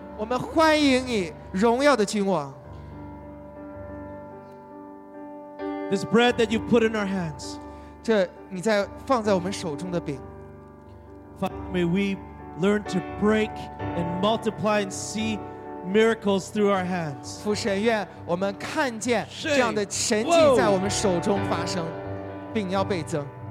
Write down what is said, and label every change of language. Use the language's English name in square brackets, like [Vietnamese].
[Chinese] 我们欢迎你，荣耀的君王。 [English] This bread that you put in our hands, [Chinese] 这你在放在我们手中的饼。 [English] May we learn to break and multiply and see miracles through our hands. [Chinese] 父神，愿我们看见这样的神迹在我们手中发生，饼要倍增。